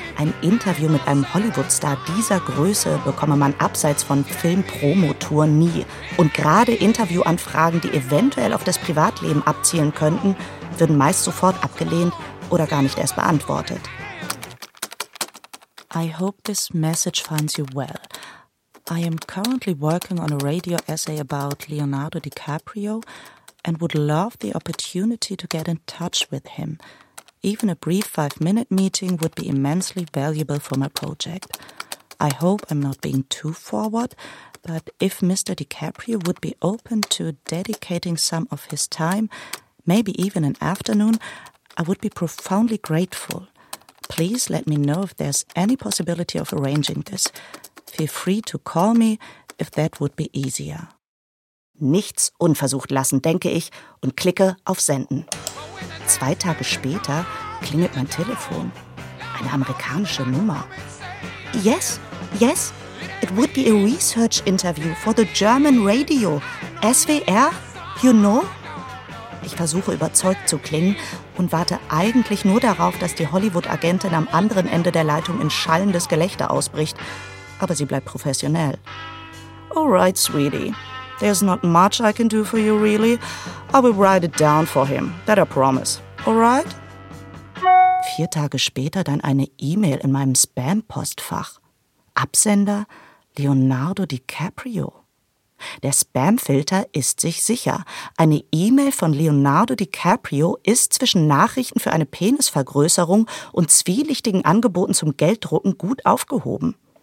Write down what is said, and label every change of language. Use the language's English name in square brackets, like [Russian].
[German] Ein Interview mit einem Hollywood-Star dieser Größe bekomme man abseits von Film-Promo-Touren nie. Und gerade Interviewanfragen, die eventuell auf das Privatleben abzielen könnten, würden meist sofort abgelehnt oder gar nicht erst beantwortet. [English] I hope this message finds you well. I am currently working on a radio essay about Leonardo DiCaprio and would love the opportunity to get in touch with him. Even a brief 5-minute meeting would be immensely valuable for my project. I hope I'm not being too forward, but if Mr. DiCaprio would be open to dedicating some of his time, maybe even an afternoon, I would be profoundly grateful. Please let me know if there's any possibility of arranging this. Feel free to call me if that would be easier. [German] Nichts unversucht lassen, denke ich, und klicke auf Senden. 2 Tage später klingelt mein Telefon. Eine amerikanische Nummer. [English] Yes, yes, it would be a research interview for the German radio. SWR, you know? [German] Ich versuche überzeugt zu klingen und warte eigentlich nur darauf, dass die Hollywood-Agentin am anderen Ende der Leitung in schallendes Gelächter ausbricht. Aber sie bleibt professionell. [English] All right, sweetie. There's not much I can do for you, really. I will write it down for him. That I promise. All right? [German] 4 Tage später dann eine E-Mail in meinem Spam-Postfach. Absender Leonardo DiCaprio. Der Spam-Filter ist sich sicher. Eine E-Mail von Leonardo DiCaprio ist zwischen Nachrichten für eine Penisvergrößerung und zwielichtigen Angeboten zum Gelddrucken gut aufgehoben.